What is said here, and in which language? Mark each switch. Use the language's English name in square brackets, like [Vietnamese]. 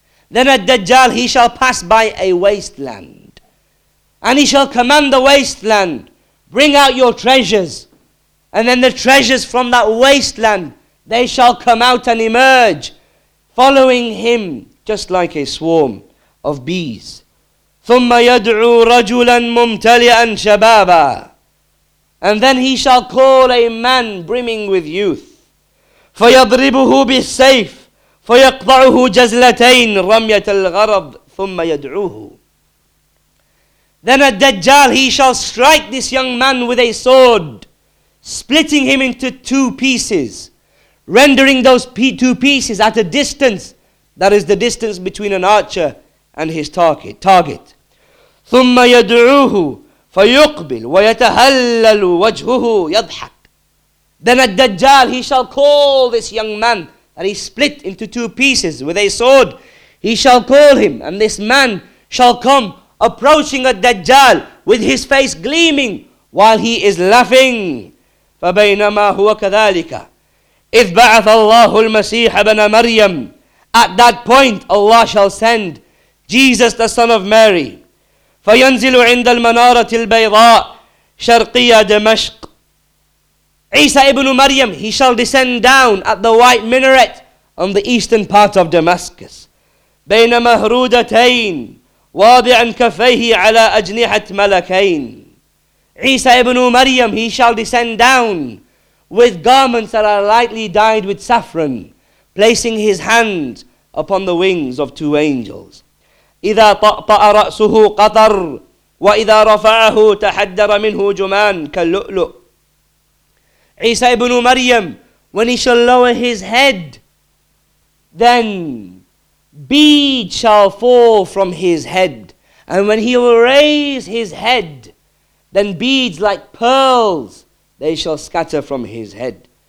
[English] Then a Dajjal, he shall pass by a wasteland and he shall command the wasteland, bring out your treasures. And then the treasures from that wasteland, they shall come out and emerge, following him just like a swarm of bees. [Arabic] ثُمَّ يَدْعُو رَجُلًا مُمْتَلِئًا شَبَابًا. [English] And then he shall call a man brimming with youth. [Arabic] فَيَضْرِبُهُ بِالسَّيْفِ فَيَقْطَعُهُ جَزْلَتَيْنِ رَمْيَةَ الْغَرَبِ ثُمَّ يَدْعُوهُ. [English] Then a Dajjal, he shall strike this young man with a sword, splitting him into two pieces, rendering those two pieces at a distance, that is the distance between an archer and his target. [Arabic] ثم يدعوه فيقبل ويتهلل وجهه يضحك. [English] Then at Dajjal he shall call this young man that he split into two pieces with a sword. He shall call him, and this man shall come approaching at Dajjal with his face gleaming while he is laughing. [Arabic] فبينما هو كذلك إذ بعث الله المسيح بن مريم. [English] At that point Allah shall send Jesus the son of Mary. [Arabic] فينزل عند المنارة البيضاء شرقية دمشق. [English] Isa ibn Maryam, he shall descend down at the white minaret on the eastern part of Damascus. [Arabic] بين مهرودتين واضعا كفيه على أجنحة ملكين. [English] Isa ibn Maryam, he shall descend down with garments that are lightly dyed with saffron, placing his hand upon the wings of two angels. [Arabic] إذا طأطأ رأسه قطر وإذا رفعه تحدر منه جمان كاللؤلؤ. [English] Isa ibn Maryam, when he shall lower his head, then beads shall fall from his head. And when he will raise his head, then beads like pearls, they shall scatter from his head.